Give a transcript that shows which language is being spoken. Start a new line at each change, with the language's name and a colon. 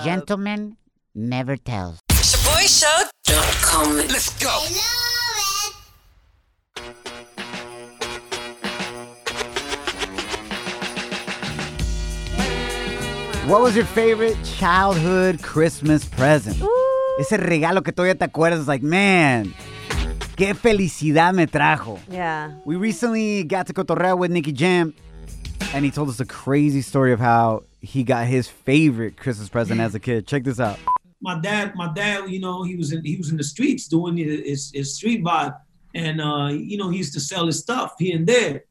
English: A gentleman never tells. ShaboyShow.com. Let's go. What was your favorite childhood Christmas present? Ooh.
Spanish: Ese regalo que todavía te acuerdas,
English: like, man,
Spanish: qué felicidad me trajo.
English: Yeah. We recently got to cotorrea with Nicky Jam, and he told us a crazy story of how he got his favorite Christmas present as a kid. Check this out. My dad, you know, he was in the streets doing his street vibe, and, you know, he used to sell his stuff here and there.